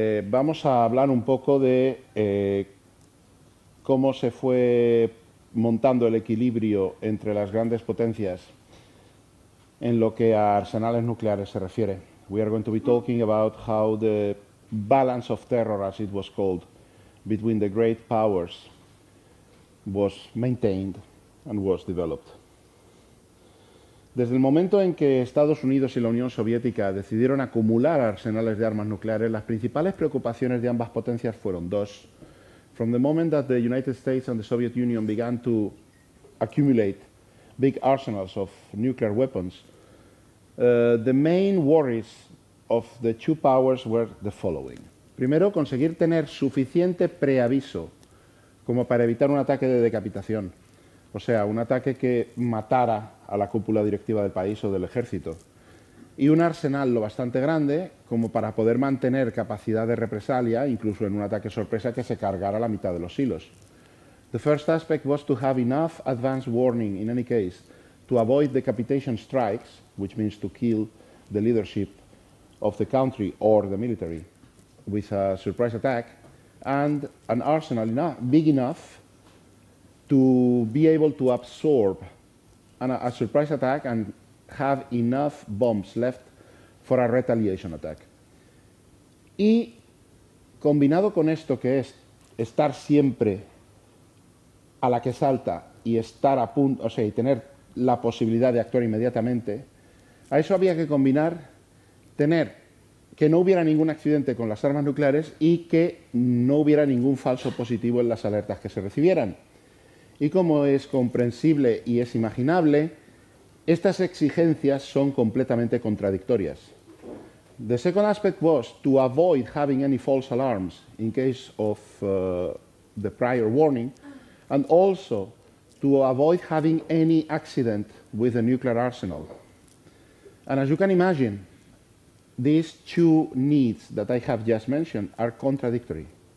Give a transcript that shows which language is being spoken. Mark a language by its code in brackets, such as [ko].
[es] Vamos a hablar un poco de cómo se fue montando el equilibrio entre las grandes potencias en lo que a arsenales nucleares se refiere. [en] We are going to be talking about how the balance of terror, as it was called, between the great powers was maintained and was developed. [es] Desde el momento en que Estados Unidos y la Unión Soviética decidieron acumular arsenales de armas nucleares, las principales preocupaciones de ambas potencias fueron dos. [en] From the moment that the United States and the Soviet Union began to accumulate big arsenals of nuclear weapons, the main worries of the two powers were the following. [es] Primero, conseguir tener suficiente preaviso como para evitar un ataque de decapitación, o sea, un ataque que matara a la cúpula directiva del país o del ejército, y un arsenal lo bastante grande como para poder mantener capacidad de represalia, incluso en un ataque sorpresa que se cargara la mitad de los silos. [en] The first aspect was to have enough advance warning, in any case, to avoid decapitation strikes, which means to kill the leadership of the country or the military with a surprise attack, and an arsenal big enough to be able to absorb a surprise attack and have enough bombs left for a retaliation attack. [es] Y combinado con esto que es estar siempre a la que salta y estar a punto, o sea, y tener la posibilidad de actuar inmediatamente, a eso había que combinar tener que no hubiera ningún accidente con las armas nucleares y que no hubiera ningún falso positivo en las alertas que se recibieran. Y como es comprensible y es imaginable, estas exigencias son completamente contradictorias. [en] The second aspect was to avoid having any false alarms in case of the prior warning, and also to avoid having any accident with the nuclear arsenal. And as you can imagine, these two needs that I have just mentioned are contradictory.